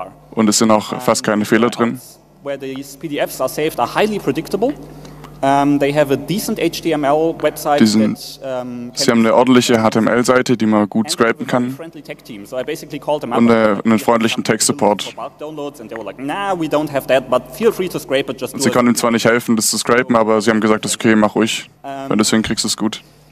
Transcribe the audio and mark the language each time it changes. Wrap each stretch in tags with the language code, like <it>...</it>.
<de>Und es sind auch fast keine Fehler drin.</de> <en>Where these PDFs are saved are highly predictable. They have a decent HTML website.</en> <de>Sie haben eine ordentliche HTML-Seite, die man gut scrapen kann. Und einen freundlichen Tech-Support. Sie konnten ihm zwar nicht helfen, das zu scrapen, aber sie haben gesagt, das ist okay, mach ruhig. Wenn du es hinkriegst, ist es gut.</de>